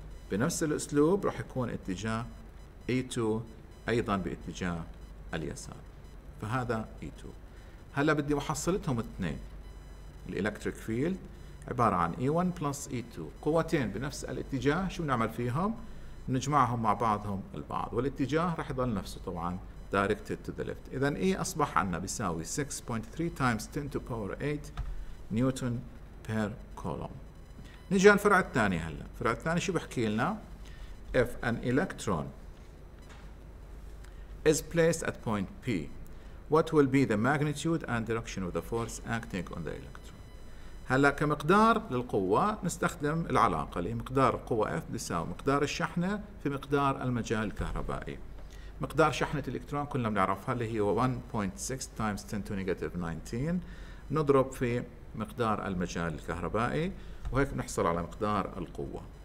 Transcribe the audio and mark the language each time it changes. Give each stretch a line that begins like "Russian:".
Arabic: بنفس الاسلوب راح يكون اتجاه A2 ايضا باتجاه اليسار، فهذا E2. هلا بدي محصلتهم اثنين، الالكتريك فيلد عباره عن E1 بلس E2، قوتين بنفس الاتجاه، شو بنعمل فيهم؟ بنجمعهم مع بعضهم البعض، والاتجاه راح يضل نفسه طبعا
English: directed to the left.
Arabic: إذن E أصبح عنا بيساوي
English: 6.3 times 10 to power 8 newton per coulomb.
Arabic: نجي على الفرع الثاني هلا. الفرع الثاني شو بحكي لنا؟
English: If an electron is placed at point P, what will be the magnitude and direction of the force acting on the electron?
Arabic: هلا كمقدار للقوة نستخدم العلاقة اللي مقدار القوة F بيساوي مقدار الشحنة في مقدار المجال الكهربائي. مقدار شحنة الإلكترون كلنا بنعرفها اللي هي 1.6
English: times 10 to negative 19،
Arabic: نضرب في مقدار المجال الكهربائي وهيك نحصل على مقدار القوة.